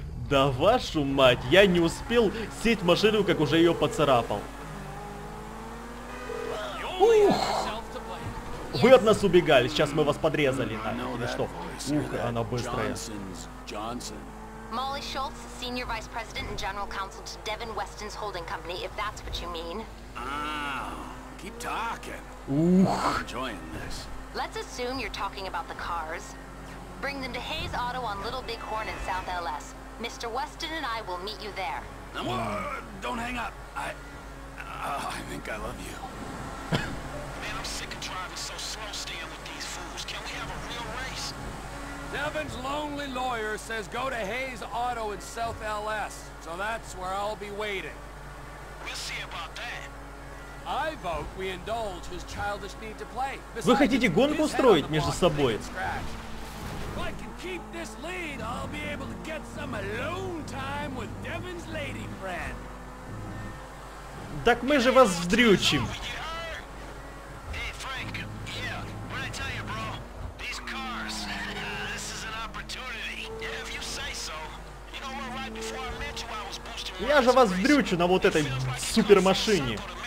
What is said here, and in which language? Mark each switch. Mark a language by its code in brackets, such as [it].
[ru] Да вашу мать, я не успел сесть в машину, как уже ее поцарапал. Ух! Вы от нас убегали, сейчас мы вас подрезали. Ну что? Ух, она быстрая. [en] Молли Шолц, senior vice president and general counsel to Devin Weston's holding company, if that's what you mean. Keep talking. Ух. Enjoying this. Let's assume you're talking about the cars. Bring them to Hayes Auto on Little Big Horn in South LS. Mr. Weston and I will meet you there. Don't hang up. I think I love you. Man, I'm sick of driving so slow staying with these fools. Can we have a real race? Devin's lonely lawyer says go to Hayes Auto in South LS. So that's where I'll be waiting. We'll see about that. I vote we indulge his childish need to play. [ru] Вы хотите гонку устроить между собой? [en] If I can keep this lead, I'll be able to get some alone time with Devin's lady friend. [ru] Так мы же вас вдрючим. [en] Hey, Frank. Yeah, what did I tell you, bro? These cars, this is an opportunity. If you say so. You know what, right before I met you, I was boosting... [ru] Я же вас вдрючу на вот этой супермашине.